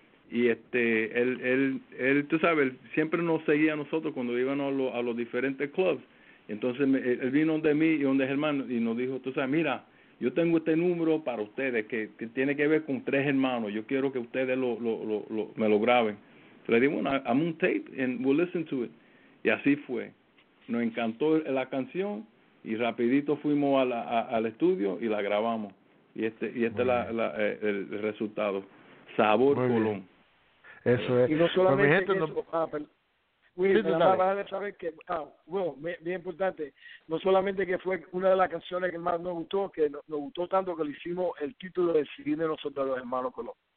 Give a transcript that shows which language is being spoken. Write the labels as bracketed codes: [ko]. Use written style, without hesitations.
[es] Y él, tú sabes, siempre nos seguía a nosotros cuando íbamos a los diferentes clubs. Entonces él vino de mí y donde Germán y nos dijo, tú sabes, mira, yo tengo este número para ustedes que tiene que ver con tres hermanos. Yo quiero que ustedes lo me lo graben. Le dije, bueno, [en] I'm on tape and we'll listen to it. [es] Y así fue. Nos encantó la canción y rapidito fuimos al estudio y la grabamos. Y este es el resultado. Sabor muy Colón. Bien. Eso es. Y no solamente gente, eso, bien importante, no solamente que fue una de las canciones que más nos gustó, que nos gustó tanto que le hicimos el título del CD de nosotros, los hermanos Colón.